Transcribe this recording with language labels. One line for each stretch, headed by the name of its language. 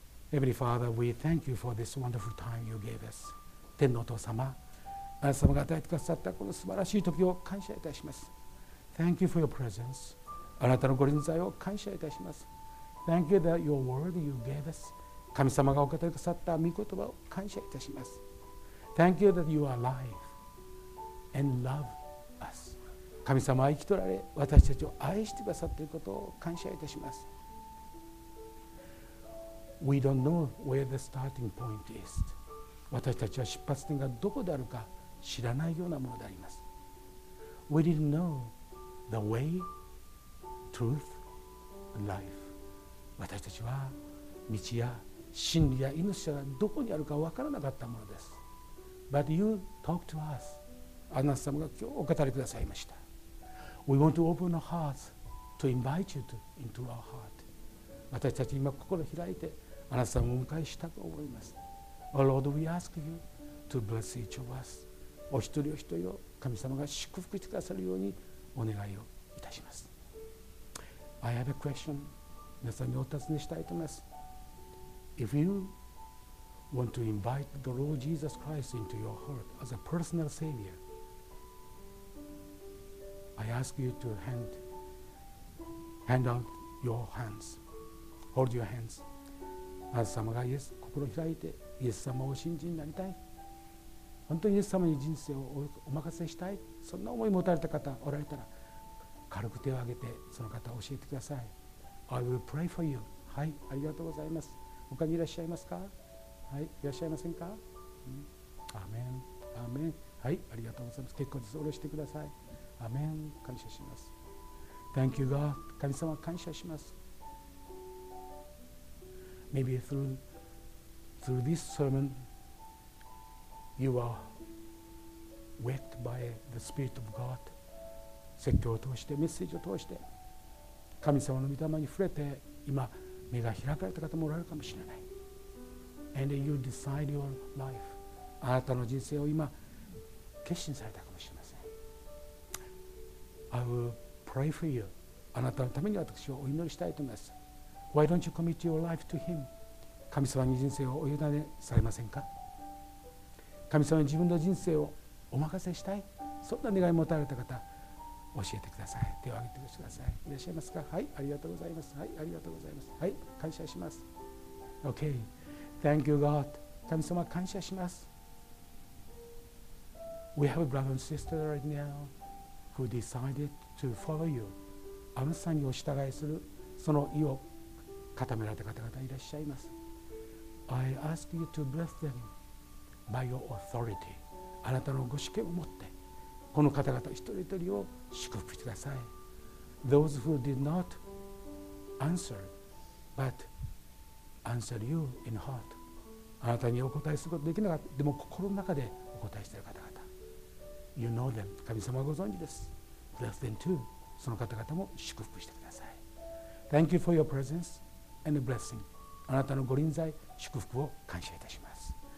English: Heavenly Father, we thank you for this wonderful time you gave us.
Japanese: 天のお父様、あなた様が与えてくださったこの素晴らしい時を感謝いたします。
English: Thank you for your presence.
Japanese: あなたのご臨在を感謝いたします。
English: Thank you that your word you gave us.
Japanese: 神様がお語りくださった御言葉を感謝いたします。
English: Thank you that you are alive and love us.
Japanese: 神様は生きとられ、私たちを愛してくださっていることを感謝いたします。
English: We don't know where the starting point is.
Japanese: 私たちは出発点がどこであるか知らないようなものであります。
English: We didn't know the way, truth, and life.
Japanese: 私たちは道や真理や命がどこにあるか分からなかったものです。
English: But you talk to us.
Japanese: あなた様が今日お語りくださいました。
English: We want to open our hearts to invite you to into our heart.
Japanese: 私たち今心を開いてあなた様をお迎えしたと思います。
English: Oh Lord, we ask you to bless each of us.
Japanese: お一人お一人を神様が祝福してくださるようにお願いをいたします。
English: I have a question
Japanese: 皆さんにお尋ねしたいと思います。
English: If you want to invite the Lord Jesus Christ into your heart as a personal savior, I ask you to hand out your hands, hold your hands.
Japanese: あなた様がイエス心を開いてイエス様をお信じになりたい、本当にイエス様に人生をお任せしたい、そんな思い持たれた方おられたら軽く手を挙げてその方を教えてください。
English: I will pray for you.
Japanese: はい、ありがとうございます。他にいらっしゃいますか。はい、いらっしゃいませんか。アーメン、アーメン。はい、ありがとうございます。結構です。下ろしてください。アーメン。感謝します。
English: Thank you, God.
Japanese: 神様、感謝します。
English: Maybe through this sermon, you are waked by the Spirit of God.
Japanese: 説教を通して、メッセージを通して、神様の御霊に触れて、今、目が開かれた方もおられるかもしれない。
English: And you decide your life.
Japanese: あなたの人生を今決心されたかもしれません。
English: I will pray for you.
Japanese: あなたのために私はお祈りしたいと思います。
English: Why don't you commit your life to him?
Japanese: 神様に人生をお委ねされませんか。神様に自分の人生をお任せしたい、そんな願いを持たれた方教えてください。手を挙げてください。いらっしゃいますか。はい、ありがとうございます。はい、ありがとうございます。はい、感謝します。
English: OKThank you, God.
Japanese: 神様、感謝します。
English: We have a brother and sister right now who decided to follow you.
Japanese: あなたさんにお従いするその意を固められた方々いらっしゃいます。
English: I ask you to bless them by your authority.
Japanese: あなたのご主権を持って、この方々一人一人を祝福してください。
English: Those who did not answer, butAnswer you in heart.
Japanese: あなたにお答えすることできなかった。でも心の中でお答えしている方々。
English: You know them.
Japanese: 神様はご存知です。
English: Bless them too.
Japanese: その方々も祝福してください。
English: Thank you for your presence and blessing.
Japanese: あなたのご臨在、祝福を感謝いたします。